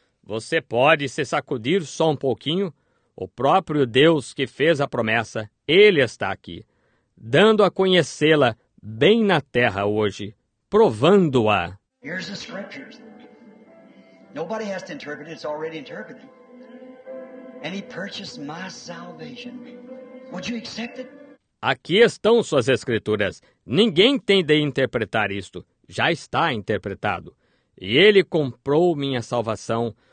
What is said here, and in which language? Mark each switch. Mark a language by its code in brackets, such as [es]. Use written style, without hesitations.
[pt] Você pode se sacudir só um pouquinho? O próprio Deus que fez a promessa, Ele está aqui, dando a conhecê-la bem na terra hoje, provando-a. [en] Here's the scriptures. Nobody has to interpret it, it's already interpreted. And He purchased my salvation. Would you accept it? [pt] Aqui estão suas escrituras. Ninguém tem de interpretar isto. Já está interpretado. E Ele comprou minha salvação.